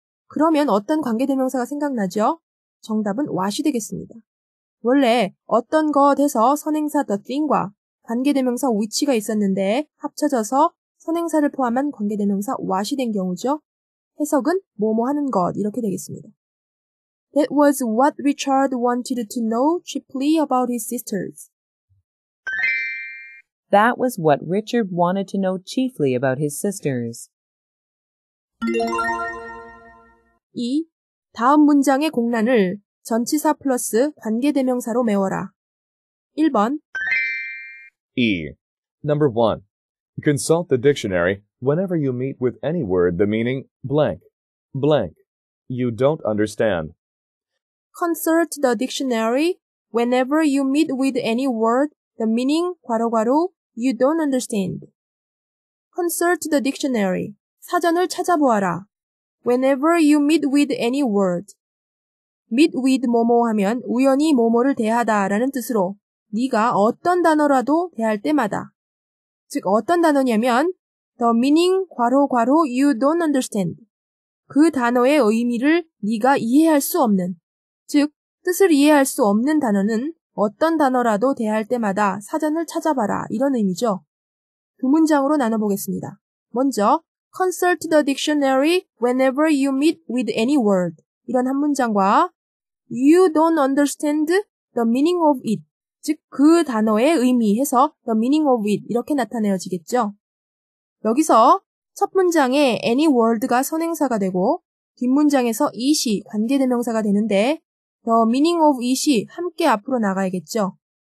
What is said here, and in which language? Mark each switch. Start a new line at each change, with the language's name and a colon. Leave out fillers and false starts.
Korean: 그러면 어떤 관계대명사가 생각나죠? 정답은 what이 되겠습니다. 원래 어떤 것에서 선행사 the thing과 관계대명사 which가 있었는데 합쳐져서 선행사를 포함한 관계대명사 what이 된 경우죠. 해석은 뭐뭐 하는 것 이렇게 되겠습니다.
English: That was what Richard wanted to know chiefly about his sisters. That was what Richard wanted to know chiefly about his sisters. 2.
Korean: 다음 문장의 공란을 전치사 플러스 관계대명사로 메워라. 1번
English: E. Number 1. Consult the dictionary whenever you meet with any word the meaning blank, blank. You don't understand. Consult the dictionary whenever you meet with any word the meaning 괄호괄호 you don't understand. Consult the dictionary.
Korean: 사전을 찾아보아라.
English: Whenever you meet with any word. Meet with
Korean: 뭐뭐 하면 우연히 뭐뭐를 대하다 라는 뜻으로 네가 어떤 단어라도 대할 때마다. 즉 어떤 단어냐면
English: the meaning 괄호괄호 you don't understand.
Korean: 그 단어의 의미를 네가 이해할 수 없는. 즉, 뜻을 이해할 수 없는 단어는 어떤 단어라도 대할 때마다 사전을 찾아봐라, 이런 의미죠. 두 문장으로 나눠보겠습니다.
English: 먼저, consult the dictionary whenever you meet with any word.
Korean: 이런 한 문장과
English: you don't understand the meaning of it.
Korean: 즉, 그 단어의 의미 해서
English: the meaning of it
Korean: 이렇게 나타내어지겠죠. 여기서 첫 문장에 any word가 선행사가 되고 뒷문장에서 it이 관계대명사가 되는데 the meaning of it이 함께 앞으로 나가야겠죠.